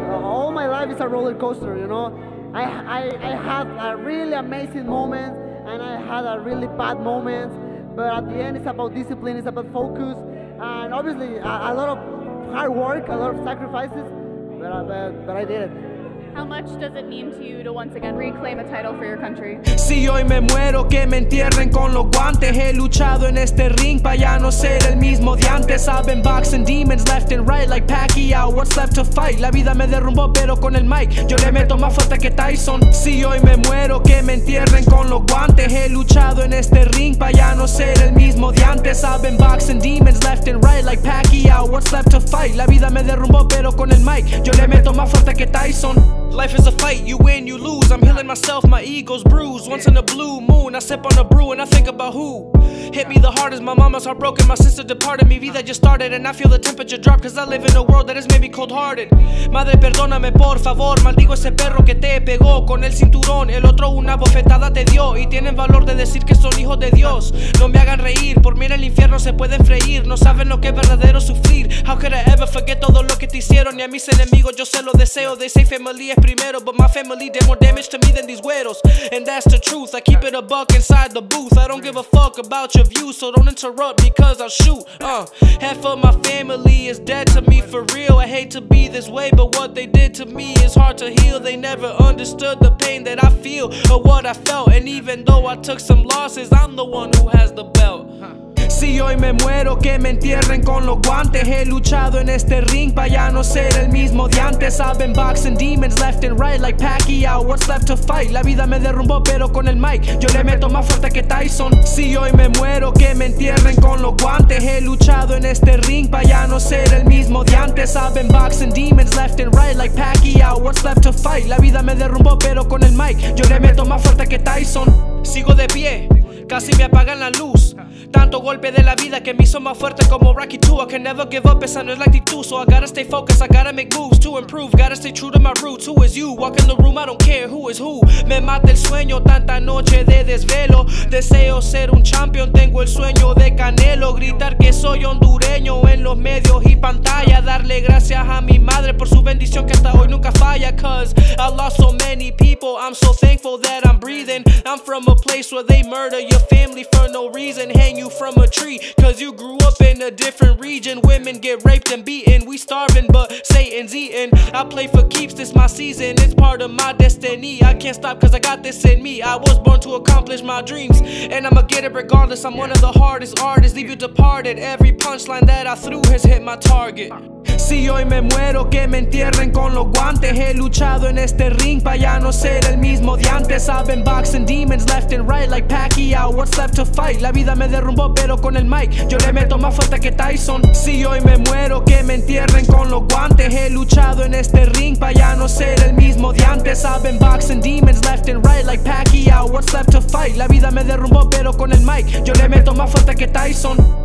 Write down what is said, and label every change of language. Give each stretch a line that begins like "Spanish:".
English: All my life is a roller coaster, you know? I had a really amazing moment, and I had a really bad moment. But at the end, it's about discipline, it's about focus, and obviously a lot of hard work, a lot of sacrifices, but I did it. How much does it mean to you to once again reclaim a title for your country?
Spanish: Si hoy me muero, que me entierren con los guantes. He luchado en este ring pa' ya no ser el mismo de antes.
English: I've been boxing demons left and right like Pacquiao. What's left to fight?
Spanish: La vida me derrumbó, pero con el mic yo le meto más fuerte que Tyson. Si hoy me muero, que me entierren con los guantes. He luchado en este ring pa' ya no ser el mismo de antes.
English: I've been boxing demons left and right like Pacquiao. out, what's left to fight?
Spanish: La vida me derrumbó, pero con el mic yo le meto más fuerte que Tyson.
English: Life is a fight, you win, you lose. I'm healing myself, my ego's bruised. Once in a blue moon, I sip on a brew and I think about who hit me the hardest. My mama's heartbroken, my sister departed.
Spanish: Mi vida
English: just started and I feel the temperature drop, cause I live in a world that has made me cold-hearted.
Spanish: Madre, perdóname, por favor. Maldigo ese perro que te pegó con el cinturón. El otro una bofetada te dio y tienen valor de decir que son hijos de Dios. No me hagan reír, por mí en el infierno se pueden freír. No saben lo que es verdadero sufrir.
English: How could I ever forget
Spanish: todo lo que te hicieron? Y a mis enemigos yo se lo deseo.
English: They say family
Spanish: es primero,
English: but my family did more damage to me than these güeros. And that's the truth, I keep it a buck inside the booth. I don't give a fuck about your views, so don't interrupt because I'll shoot. Half of my family is dead to me for real. I hate to be this way, but what they did to me is hard to heal. They never understood the pain that I feel or what I felt. And even though I took some losses, I'm the one who has the belt.
Spanish: Si hoy me muero, que me entierren con los guantes. He luchado en este ring pa' ya no ser el mismo de antes.
English: I've been boxing demons left and right like Pacquiao. What's left to fight?
Spanish: La vida me derrumbó, pero con el mic yo le meto más fuerte que Tyson. Si hoy me muero, que me entierren con los guantes. He luchado en este ring pa' ya no ser el mismo de antes.
English: I've been boxing demons left and right like Pacquiao. What's left to fight? La vida me derrumbó, pero con el mic yo le meto más fuerte que Tyson.
Spanish: Sigo de pie, casi me apagan la luz. Tanto golpe de la vida que me hizo más fuerte como Rocky 2.
English: I can never give up,
Spanish: esa no es la actitud.
English: So I gotta stay focused, I gotta make moves to improve. Gotta stay true to my roots, who is you? Walk in the room, I don't care who is who.
Spanish: Me mata el sueño, tanta noche de desvelo. Deseo ser un champion, tengo el sueño de Canelo. Gritar que soy hondureño en los medios y pantalla. Darle gracias a mi madre por su bendición que hasta hoy nunca falla.
English: Cause I lost so many people, I'm so thankful that I'm breathing. I'm from a place where they murder your family for no reason. Hang you from a tree, cause you grew up in a different region. Women get raped and beaten, we starving, but Satan's eating. I play for keeps, this my season, it's part of my destiny. I can't stop cause I got this in me. I was born to accomplish my dreams, and I'ma get it regardless. I'm one of the hardest artists, leave you departed. Every punchline that I threw has hit my target.
Spanish: Si hoy me muero, que me entierren con los guantes. He luchado en este ring pa' ya no ser el mismo de antes.
English: I've been boxing demons left and right like Pacquiao. What's left to fight?
Spanish: La vida me derrumbó, pero con el mic yo le meto más fuerte que Tyson. Si hoy me muero, que me entierren con los guantes. He luchado en este ring pa' ya no ser el mismo de antes.
English: I've been boxing demons left and right like Pacquiao. What's left to fight?
Spanish: La vida me derrumbó, pero con el mic yo le meto más fuerte que Tyson.